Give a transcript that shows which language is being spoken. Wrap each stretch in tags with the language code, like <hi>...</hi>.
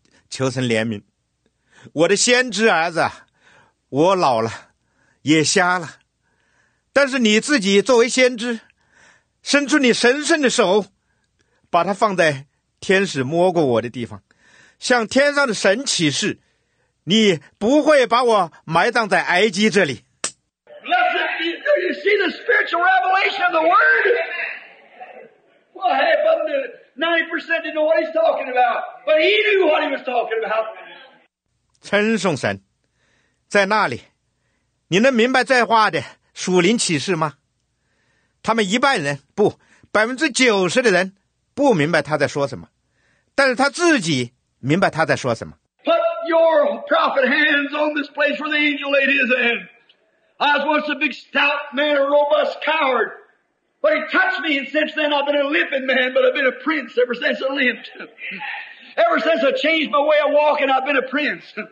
<zh>求神怜悯，我的先知儿子，我老了，也瞎了，但是你自己作为先知，伸出你神圣的手，把它放在天使摸过我的地方。向天上的神起誓，你不会把我埋葬在埃及这里。</zh> <en>Do you see the spiritual revelation of the word? Well, hey, but 90% didn't know what he's talking about, but he knew what he was talking about.</en> <zh>称颂神，在那里，你能明白这话的属灵启示吗？他们一半人，不，90%的人不明白他在说什么，但是他自己明白他在说什么。</zh> <en>Put your prophet hands on this place where the angel laid his hand. I was once a big stout man, a robust coward. But he touched me, and since then I've been a limping man, but I've been a prince ever since I limped. Ever since I changed my way of walking, I've been a prince.</en>